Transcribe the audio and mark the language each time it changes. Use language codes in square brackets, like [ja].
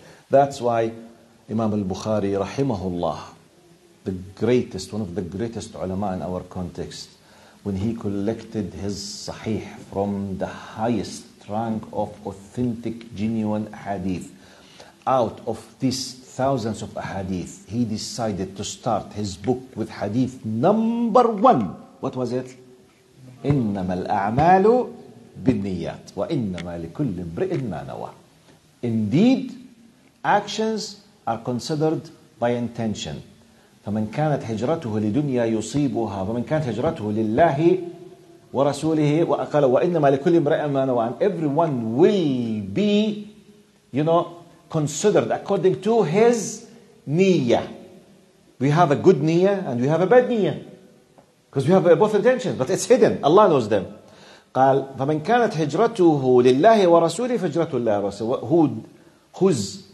[en] That's why Imam al-Bukhari, rahimahullah, the greatest, one of the greatest ulama in our context, when he collected his sahih from the highest rank of authentic, genuine hadith, out of these thousands of hadith, he decided to start his book with hadith number one. What was it? [ar] إنما الأعمال بالنيات وإنما لكل امرئ ما نوى. [en] Indeed, actions are considered by intention. [ar] فمن كانت هجرته لدنيا يصيبها ومن كانت هجرته لله ورسوله وقال وإنما لكل امرئ ما نوى. [en] And everyone will be, you know, considered according to his niyyah. We have a good niyyah and we have a bad niyyah, because we have both intentions, but it's hidden. Allah knows them. [ar] قال فمن كانت هجرته لله ورسوله فهجرته لله ورسوله.